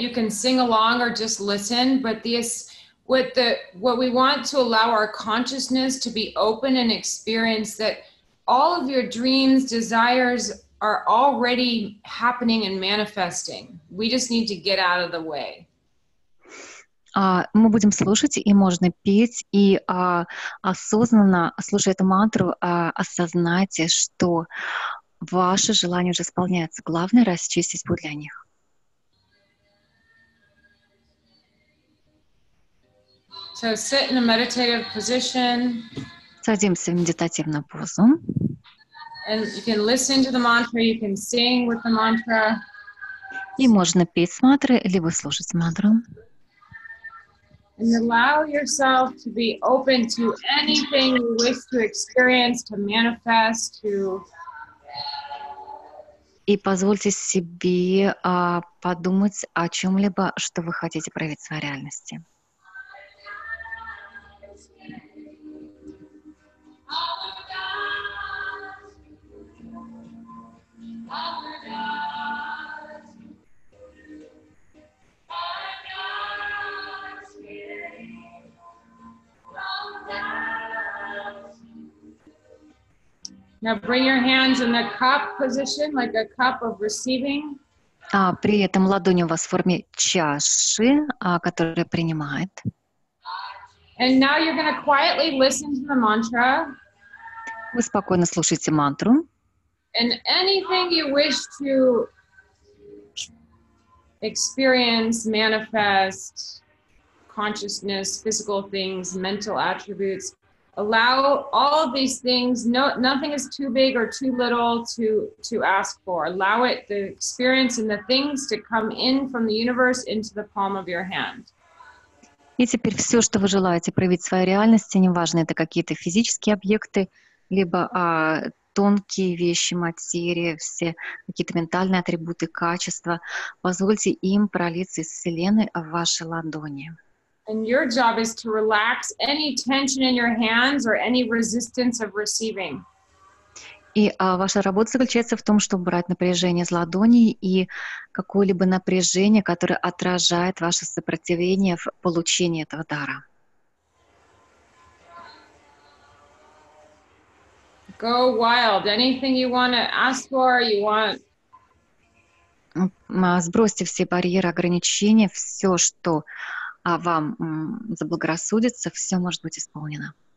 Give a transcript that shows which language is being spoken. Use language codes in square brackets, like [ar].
[en] You can sing along or just listen. But this, what we want to allow our consciousness to be open and experience that all of your dreams, desires are already happening and manifesting. We just need to get out of the way. [ru] Мы будем слушать, и можно петь, и осознанно, слушая эту мантру, осознайте, что ваши желания уже исполняются. Главное — расчистить путь для них. [en] So sit in a meditative position. [ru] Садимся в медитативную позу. [en] And you can listen to the mantra, you can sing with the mantra. [ru] И можно петь с мантры, либо слушать мантру. [en] And allow yourself to be open to anything you wish to experience, to manifest, to... [ru] И позвольте себе подумать о чем-либо, что вы хотите проявить в своей реальности. [en] Now bring your hands in the cup position, like a cup of receiving. [ru] При этом ладони у вас в форме чаши, которая принимает. [en] And now you're going to quietly listen to the mantra. [ru] Вы спокойно слушаете мантру. [en] And anything you wish to experience, manifest, consciousness, physical things, mental attributes, allow all of these things, nothing is too big or too little to ask for. Allow it, the experience and the things to come in from the universe into the palm of your hand. [ru] И теперь все, что вы желаете проявить в своей реальности, неважно, это какие-то физические объекты, либо тонкие вещи, материя, все какие-то ментальные атрибуты, качества, позвольте им пролиться из вселенной в ваши ладони. [en] And your job is to relax any tension in your hands or any resistance of receiving. [ru] И ваша работа заключается в том, чтобы брать напряжение из ладоней и какое-либо напряжение, которое отражает ваше сопротивление в получении этого дара. [en] Go wild. Anything you want to ask for, you want. [ru] Сбросьте все барьеры, ограничения, все, что вам заблагорассудится, все может быть исполнено.